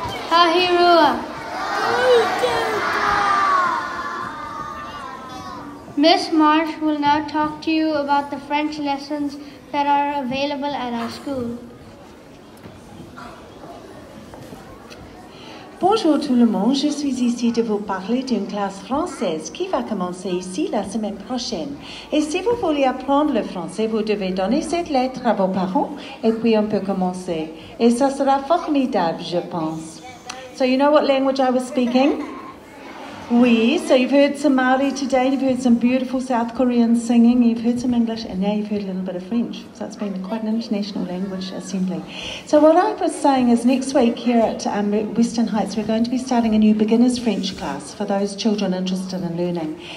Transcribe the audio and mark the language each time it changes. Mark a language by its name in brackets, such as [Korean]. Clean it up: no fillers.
[English] Hahirua. Miss Marsh will now talk to you about the French lessons that are available at our school. [French] Bonjour tout le monde, je suis ici de vous parler d'une classe française qui va commencer ici la semaine prochaine. Et si vous voulez apprendre le français, vous devez donner cette lettre à vos parents et puis on peut commencer. Et ça sera formidable, je pense. [English] So you know what language I was speaking? Oui, so you've heard some Māori today, you've heard some beautiful South Korean singing, you've heard some English, and now you've heard a little bit of French. So it's been quite an international language assembly. So what I was saying is next week here at Western Heights, we're going to be starting a new beginner's French class for those children interested in learning.